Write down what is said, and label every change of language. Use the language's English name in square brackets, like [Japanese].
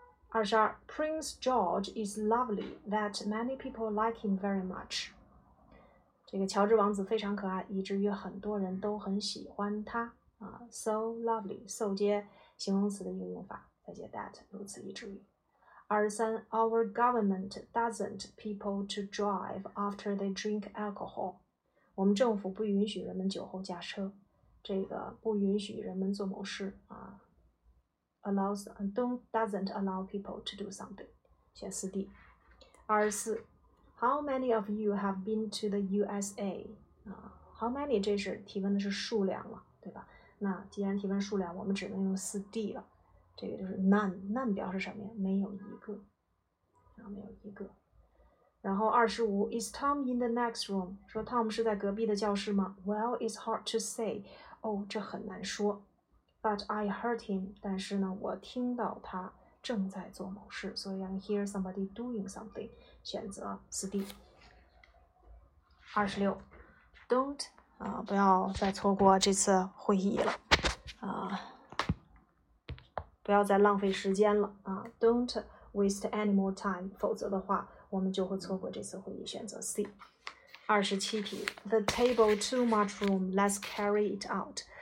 [English] 22 Prince George is lovely that many people like him very much。 [Chinese] 这个乔治王子非常可爱，以至于很多人都很喜欢他啊。 [English] So lovely, so [Chinese] 接形容词的一个用法，再接 that 如此以至于。 [English] 23 Our government doesn't people to drive after they drink alcohol. [Chinese] 我们政府不允许人们酒后驾车，这个不允许人们做某事啊。 [English] Allows doesn't allow people to do something. [Chinese] 选四 [English] D。 24 How many of you have been to the USA? [Chinese] 啊 ，How many 这是提问的是数量了，对吧？那既然提问数量，我们只能用四 D 了。这个就是 none 表示什么呀？没有一个，没有一个。 [English] 然后25 Is Tom in the next room? [Chinese] 说 Tom 是在隔壁的教室吗 [English] ？Well, it's hard to say. [Chinese] 哦，这很难说。 [English] But I heard him. [Chinese] 但是呢，我听到他正在做某事，所以 [English] I hear somebody doing something. [Chinese] 选择 4D。26 Don't 不要再错过这次会议了不要再浪费时间了啊 ！ [English] Don't waste any more time， [Chinese] 否则的话，我们就会错过这次会议，选择 C。 [English] 27题 ,The table too much room, let's carry it out.